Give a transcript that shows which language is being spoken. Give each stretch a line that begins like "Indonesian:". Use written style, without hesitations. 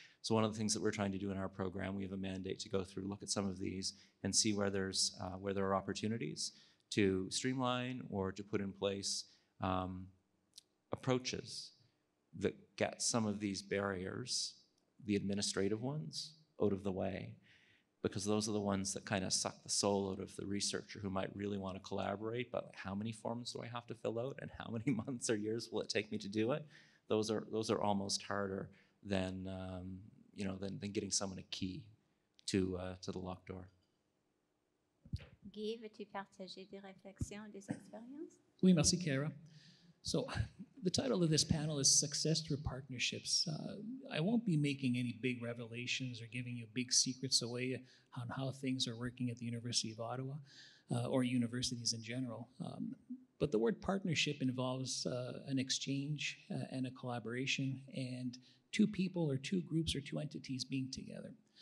English: So one of the things that we're trying to do in our program, we have a mandate to go through, look at some of these and see where there are opportunities to streamline or to put in place approaches that get some of these barriers, the administrative ones, out of the way, because those are the ones that kind of suck the soul out of the researcher who might really want to collaborate, but how many forms do I have to fill out and how many months or years will it take me to do it? Those are almost harder than getting someone a key to the locked door.
French: Guy, veux-tu partager des réflexions, des expériences? Oui, merci, Kara.
English: So the title of this panel is Success Through Partnerships. I won't be making any big revelations or giving you big secrets away on how things are working at the University of Ottawa or universities in general. But the word partnership involves an exchange and a collaboration and two people or two groups or two entities being together.